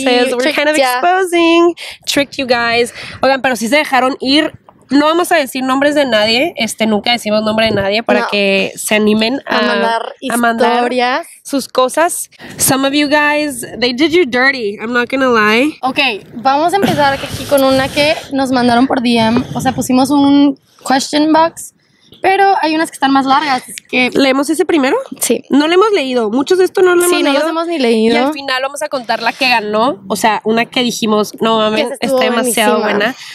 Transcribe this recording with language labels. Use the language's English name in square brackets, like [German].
[Spanish] Entonces, [English] we're kind of exposing, tricked you guys. [Spanish] Oigan, pero sí se dejaron ir. No vamos a decir nombres de nadie, nunca decimos nombre de nadie para que se animen a mandar historias, sus cosas. [English] Some of you guys, they did you dirty, I'm not gonna lie. [Spanish] Okay, vamos a empezar aquí con una que nos mandaron por DM, o sea, pusimos un question box, pero hay unas que están más largas, así que ¿leemos ese primero? Sí. No lo hemos leído, muchos de esto no lo hemos leído. Sí, no los hemos ni leído. Y al final vamos a contar la que ganó, o sea, una que dijimos, no mames, está demasiado buena.